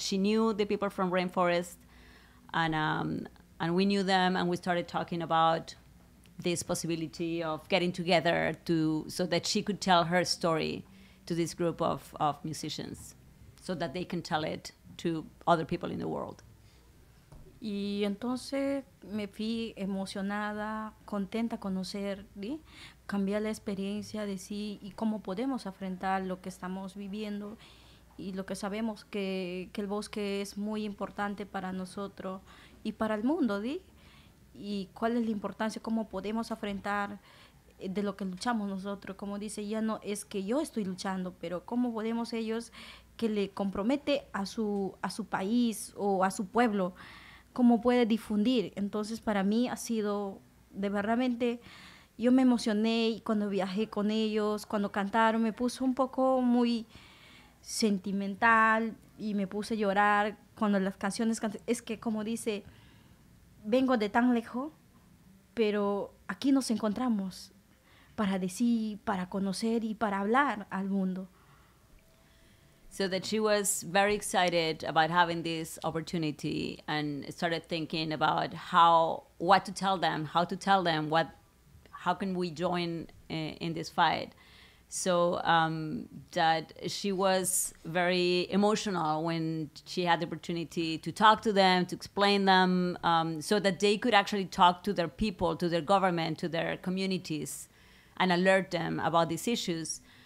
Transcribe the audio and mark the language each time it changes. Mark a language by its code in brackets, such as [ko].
[en] She knew the people from Rainforest, and we knew them, and we started talking about this possibility of getting together so that she could tell her story to this group of musicians, so that they can tell it to other people in the world. [es] Y entonces me fui emocionada, contenta a conocer, ¿sí? Cambiar la experiencia de sí y cómo podemos afrontar lo que estamos viviendo y lo que sabemos que el bosque es muy importante para nosotros y para el mundo, ¿sí? Y cuál es la importancia, cómo podemos afrontar de lo que luchamos nosotros. Como dice, ya no es que yo estoy luchando, pero cómo podemos ellos que le compromete a su país o a su pueblo, cómo puede difundir. Entonces para mí ha sido de verdaderamente, yo me emocioné y cuando viajé con ellos, cuando cantaron, me puso un poco muy sentimental y me puse a llorar cuando las canciones canté. Es que como dice, vengo de tan lejos, pero aquí nos encontramos para decir, para conocer y para hablar al mundo. [en] So that she was very excited about having this opportunity and started thinking about how can we join in this fight. So that she was very emotional when she had the opportunity to talk to them, to explain them, so that they could actually talk to their people, to their government, to their communities, and alert them about these issues.